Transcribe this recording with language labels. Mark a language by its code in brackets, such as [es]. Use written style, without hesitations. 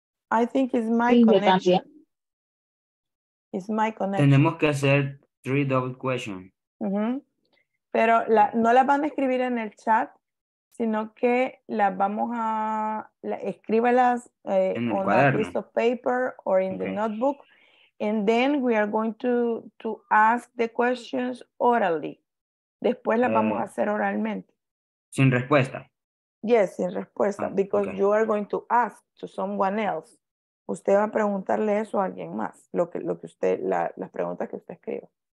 [en] I think it's my connection. It's my connection. [es] Tenemos que hacer 3 double questions. Pero no las van a escribir en el chat, sino que las vamos a escríbalas [en] on a piece of paper or in the notebook, and then we are going to ask the questions orally. [es] Después las vamos a hacer oralmente. Sin respuesta. [en] Yes, [es] sin respuesta, [en] because you are going to ask to someone else. [es] Usted va a preguntarle eso a alguien más, lo que usted las preguntas que usted escriba.